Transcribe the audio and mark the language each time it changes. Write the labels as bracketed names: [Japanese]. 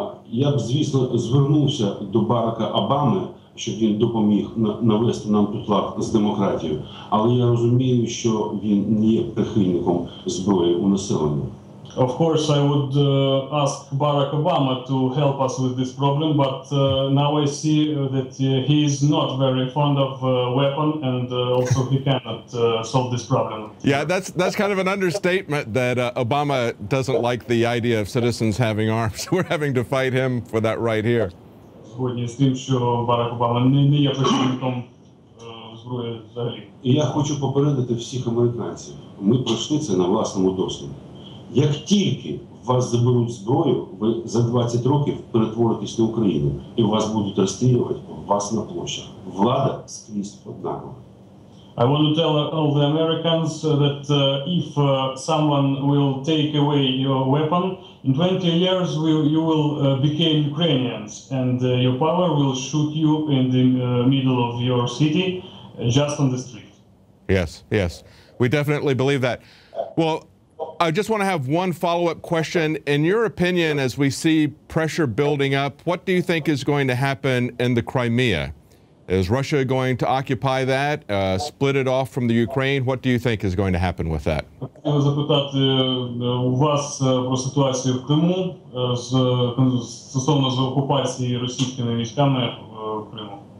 [Ukrainian] Я б, звісно, звернувся до Барака Обами, щоб він допоміг навести нам тут лад з демократією. Але я розумію, що він не є прихильником зброї у населенні. [English] Of course, I would ask Barack Obama to help us with this problem, but now I see that he is not very fond of weapon, and also he cannot solve this problem. Yeah, that's kind of an understatement that Obama doesn't like the idea of citizens having arms. We're having to fight him for that right here. [Ukrainian] Сьогодні з тим, що Барак Обама не є прихильником зброї взагалі. Я хочу попередити всіх американців. Ми пройшли це на власному досвіді. Як тільки вас заберуть зброю, ви за 20 років перетворитесь на Україну, і вас будуть розстрілювати, вас на площах. Влада скрізь однакова. [English] I want to tell all the Americans that if someone will take away your weapon, in 20 years you will become Ukrainians, and your power will shoot you in the middle of your city, just on the street. Yes, yes. We definitely believe that. Well, I just want to have one follow-up question. In your opinion, as we see pressure building up, what do you think is going to happen in the Crimea? Is Russia going to occupy that, split it off from the Ukraine? What do you think is going to happen with that? [Ukrainian] Я хотів запитати у вас про ситуацію в Криму з стосовно з окупації російськими військами в Криму.